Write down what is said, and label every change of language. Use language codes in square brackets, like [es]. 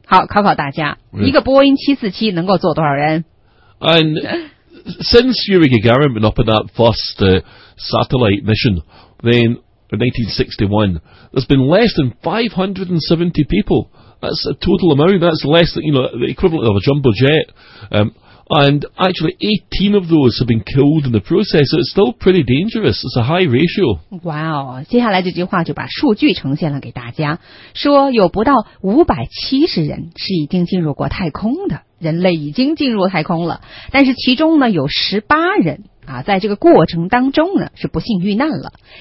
[zh] 好，考考大家，一个波音747能够坐多少人？ [en] And since Yuri Gagarin went up in that first satellite mission then in 1961, there's been less than 570 people. That's a total amount. That's less than, you know, the equivalent of a jumbo jet. And actually 18 of those have been killed in the process, so it's still pretty dangerous, it's a high ratio. [zh] Wow, 接下来这句话就把数据呈现了给大家，说有不到570人是已经进入过太空的，人类已经进入太空了，但是其中呢有18人啊，在这个过程当中呢是不幸遇难了。